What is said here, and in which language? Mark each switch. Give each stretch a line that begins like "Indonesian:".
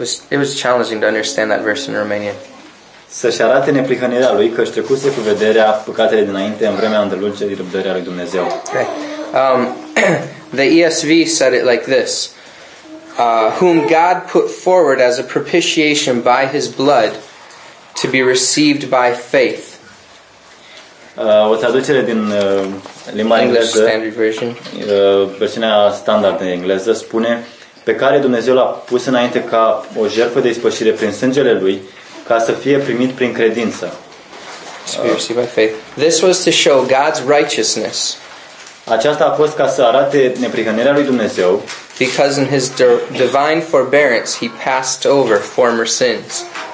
English: It was challenging to understand that verse in Romanian.
Romanian: Să-și arate neprihănirea Lui, căci trecuse cu vederea păcatele dinainte, în vremea îndelungării răbdării lui Dumnezeu.
English: Okay. The ESV said it like this: whom God put forward as a propitiation by His blood to be received by faith.
Romanian: O traducere din limba engleză,
English: standard version.
Romanian: Versiunea standard în engleză spune: pe care Dumnezeu l-a pus înainte ca o jertfă de ispășire prin sângele Lui, ca să fie primit prin credință.
English: So you receive by faith. This was to show God's righteousness.
Romanian: Aceasta a fost ca să arate neprihănirea lui Dumnezeu.
English: Because in his divine forbearance he passed over former sins.